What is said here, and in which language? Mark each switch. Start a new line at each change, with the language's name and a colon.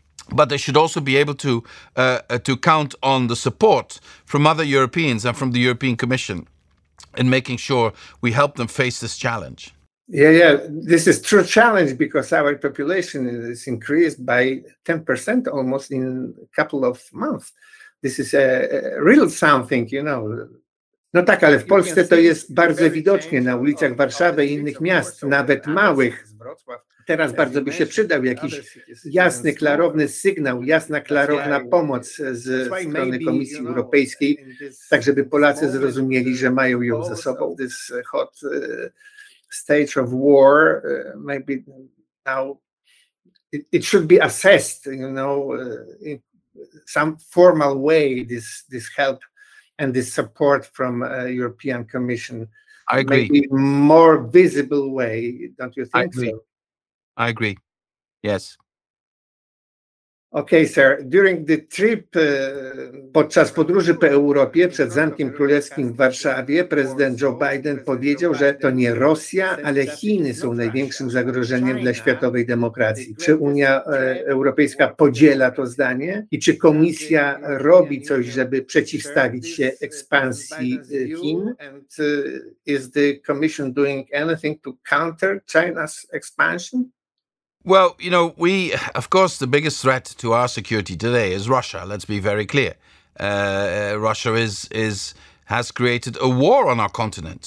English: But they should also be able to count on the support from other Europeans and from the European Commission in making sure we help them face this challenge. Yeah, this is true challenge because our population is increased by 10% almost in a couple of months. This is a real something, you know.
Polish: No tak, ale w Polsce to jest bardzo widoczne na ulicach Warszawy i innych miast, nawet małych. Teraz bardzo by się przydał jakiś jasny, klarowny sygnał, jasna, klarowna pomoc ze strony Komisji Europejskiej, tak żeby Polacy zrozumieli, że mają ją ze sobą.
English: This hot stage of war, maybe now it should be assessed, you know, in some formal way, this help and this support from European Commission. I agree. Maybe more visible way, don't you think so? I agree. Yes. Okay, sir. During the trip,
Polish: podczas podróży po Europie przed Zamkiem Królewskim w Warszawie, prezydent Joe Biden powiedział, że to nie Rosja, ale Chiny są największym zagrożeniem dla światowej demokracji. Czy Unia Europejska podziela to zdanie? I czy Komisja robi coś, żeby przeciwstawić się ekspansji Chin?
English: And is the Commission doing anything to counter China's expansion? Well, you know, we, of course, the biggest threat to our security today is Russia. Let's be very clear. Russia has created a war on our continent.